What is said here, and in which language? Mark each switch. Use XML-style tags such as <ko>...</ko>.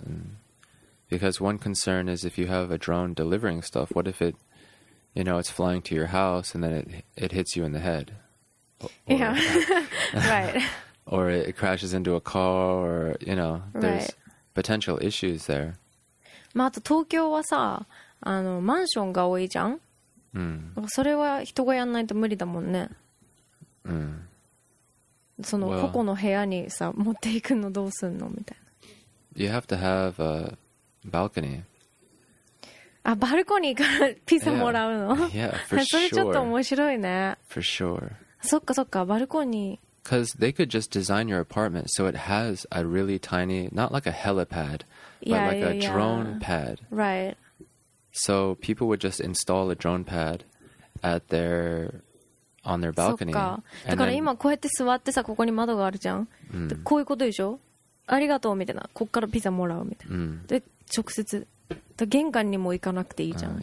<en>And because one concern is if you have a drone delivering stuff, what if it, you know, it's flying to your house and then it hits you in the head? Yeah. Right. Or it crashes into a car or, you know, there's potential issues there.</en> <ja>まあ、あと東京はさあのマンションが多いじゃん、うん、それは人がやんないと無理だもんね、うん、その個々の部屋にさ持っていくのどうすんのみたいな</ja> <en>You have to have a balcony</en> <ja>あバルコニーからピザもらうの</ja> <en>yeah. Yeah, for</en> <ja>それちょっと面白いね</ja> <en>for、sure.</en> <ja>そっかそっかバルコニー</ja> <en>Because they could just design your apartment so it has a really tiny, not like a helipad, yeah, but like yeah, a drone yeah. pad. Right. So people would just install a drone pad at their, on their balcony.</en> <ja>そっか。だから今こうやって座ってさ、ここに窓があるじゃん。で、こういうことでしょ?ありがとうみたいな。こっからピザもらうみたいな。で、直接、で、玄関にも行かなくていいじゃん。</ja>